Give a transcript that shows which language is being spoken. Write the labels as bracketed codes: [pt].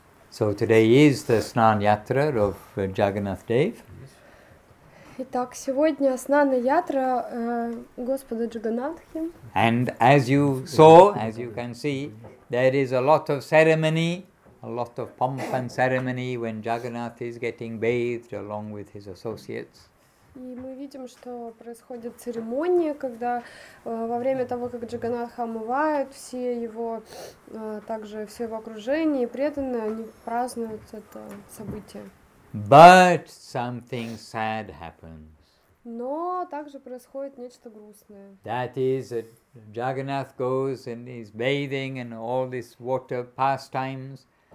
[en] So today is the Snan Yatra of Jagannath Dev. [ru] Итак, сегодня Снана Ятра Господа Джаганнатхи. [en] And as you saw, as you can see, there is a lot of ceremony, a lot of pomp and ceremony when Jagannath is getting bathed along with his associates. [ru] И мы видим, что происходит церемония, когда во время того, как Джаганнатха омывают, все его, также все его окружение, преданные, они празднуют это событие. [en] But something sad happens. [ru] Но также происходит нечто грустное. [en] That is, that Jagannath goes and is bathing and all this water pastimes.